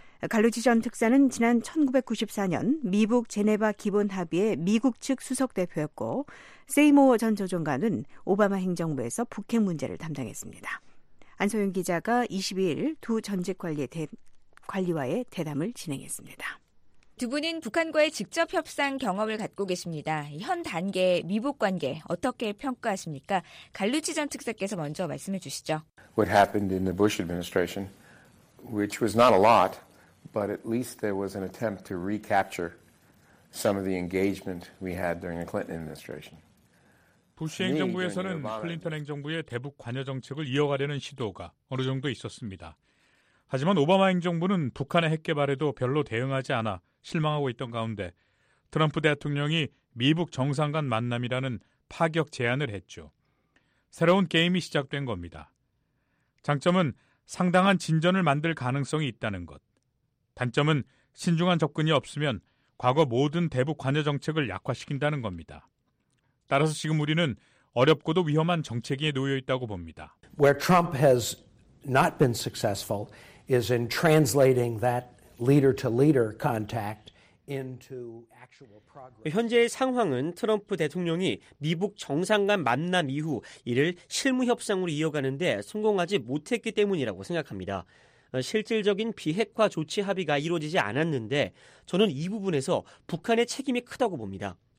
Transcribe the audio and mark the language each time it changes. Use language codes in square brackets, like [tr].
[ko] 갈루치 전 특사는 지난 1994년 미북 제네바 기본 합의의 미국 측 수석대표였고 세이모어 전 조정관은 오바마 행정부에서 북핵 문제를 담당했습니다. 안소윤 기자가 22일 두 전직 관리와의 대담을 진행했습니다. 두 분은 북한과의 직접 협상 경험을 갖고 계십니다. 현 단계의 미북 관계 어떻게 평가하십니까? 갈루치 전 특사께서 먼저 말씀해 주시죠. [en] What happened in the Bush administration, which was not a lot, but at least there was an attempt to recapture some of the engagement we had during the Clinton administration. [ko] 부시 행정부에서는 클린턴 행정부의 대북 관여 정책을 이어가려는 시도가 어느 정도 있었습니다. 하지만 오바마 행정부는 북한의 핵 개발에도 별로 대응하지 않아 실망하고 있던 가운데 트럼프 대통령이 미북 정상 간 만남이라는 파격 제안을 했죠. 새로운 게임이 시작된 겁니다. 장점은 상당한 진전을 만들 가능성이 있다는 것. 단점은 신중한 접근이 없으면 과거 모든 대북 관여 정책을 약화시킨다는 겁니다. 따라서 지금 우리는 어렵고도 위험한 정책에 놓여 있다고 봅니다. [en] Where Trump has not been successful is in translating that leader-to-leader contact into actual progress. [ko] 현재의 상황은 트럼프 대통령이 미북 정상 간 만남 이후 이를 실무 협상으로 이어가는 데 성공하지 못했기 때문이라고 생각합니다. 실질적인 비핵화 조치 합의가 이루어지지 않았는데 저는 이 부분에서 북한의 책임이 크다고 봅니다.